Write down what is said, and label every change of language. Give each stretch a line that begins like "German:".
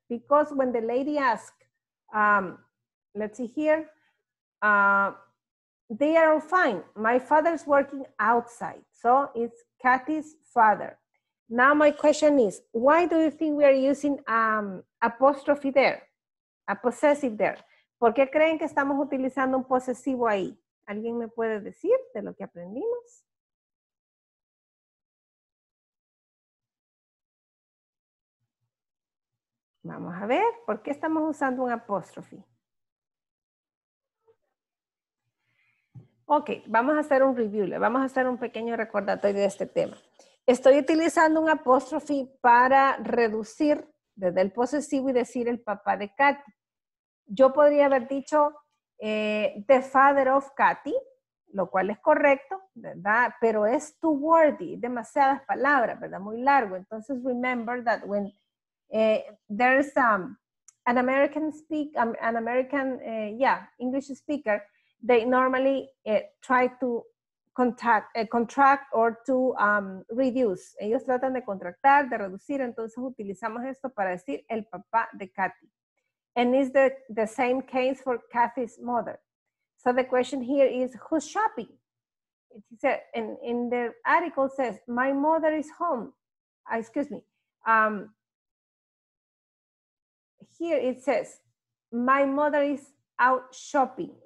English: Because when the lady asks, let's see here, they are all fine. My father's working outside. So it's Kathy's father. Now my question is, why do you think we are using apostrophe there? A possessive there.
Spanish: ¿Por qué creen que estamos utilizando un posesivo ahí? ¿Alguien me puede decir de lo que aprendimos? Vamos a ver, ¿por qué estamos usando un apóstrofe? Ok, vamos a hacer un review, le vamos a hacer un pequeño recordatorio de este tema. Estoy utilizando un apóstrofe para reducir desde el posesivo y decir el papá de Katy. Yo podría haber dicho
English: the father of Katy,
Spanish: lo cual es correcto, ¿verdad? Pero es
English: too wordy,
Spanish: demasiadas palabras, ¿verdad? Muy largo.
English: Entonces, remember that when there's an American English speaker, they normally try to contract or to reduce.
Spanish: Ellos tratan de contractar, de reducir. Entonces utilizamos esto para decir el papá de Kathy.
English: And is the same case for Kathy's mother. So the question here is, who's shopping? It said, in the article says, my mother is home. Excuse me. Here it says, my mother is out shopping.